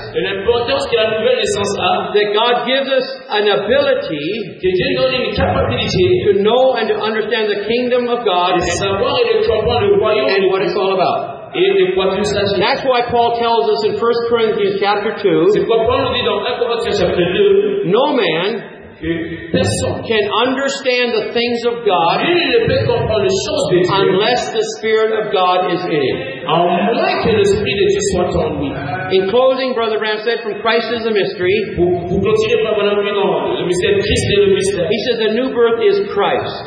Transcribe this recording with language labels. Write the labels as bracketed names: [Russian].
[French] et l'importance que la nouvelle naissance a, [English] that God gives us an ability, [French] que Dieu nous donne une capacité, [English] to know and to understand the kingdom of God, [French] et savoir et de comprendre le royaume, [English] and what it's all about. [French] Et de quoi tout s'agit. [English] That's why Paul tells us in 1 Corinthians chapter 2, [French] c'est quoi Paul nous dit dans 1 Corinthians chapter 2, [English] no man can understand the things of God unless the Spirit of God is in him. In closing, Brother Bram said, from Christ is a mystery. He said the new birth is Christ.